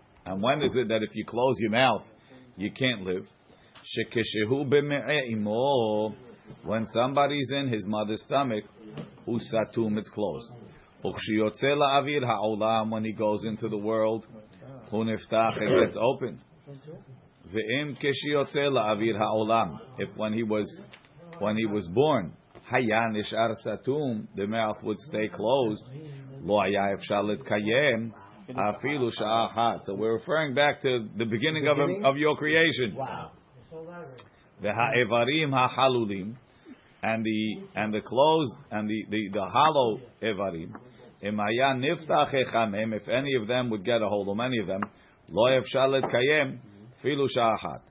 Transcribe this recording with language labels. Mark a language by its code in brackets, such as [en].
[en] And when is it that if you close your mouth, you can't live? [he] Shekeshehu B'me'imo, [en] when somebody's in his mother's stomach, [he] Usatum, [en] it's closed. [he] וכשיוצא לאוויר העולם, [en] when he goes into the world, [he] הוא נפתח, [en] it gets open. [he] ואם כשיוצא לאוויר העולם, [en] if when he was born, [he] היה נשאר סתום, [en] the mouth would stay closed, [he] לא היה אפשר להתקיים, אפילו שעה אחת. [en] So we're referring back to the beginning of your creation. [he] והאיברים החלולים, [en] and the closed and the hollow evarim, [he] im haya niftach echamem, [en] if any of them would get a hold, or many of them, [he] lo efshar letkayem filu sha'ahat.